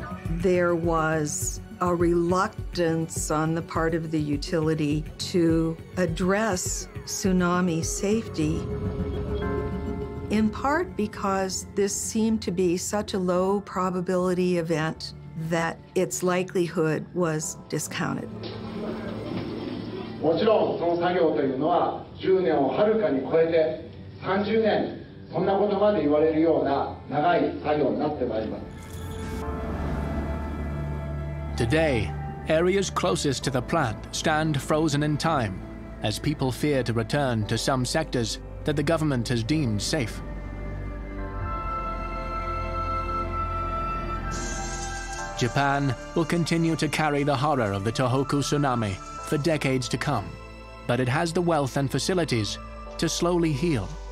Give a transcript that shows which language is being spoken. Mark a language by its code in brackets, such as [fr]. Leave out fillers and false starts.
[en] There was a reluctance on the part of the utility to address tsunami safety, in part because this seemed to be such a low probability event that its likelihood was discounted. [ja] もちろんその作業というのは10年をはるかに超えて30年そんなことまで言われるような長い作業になってまいります。 [en] Today, areas closest to the plant stand frozen in time as people fear to return to some sectors that the government has deemed safe. Japan will continue to carry the horror of the Tohoku tsunami for decades to come, but it has the wealth and facilities to slowly heal.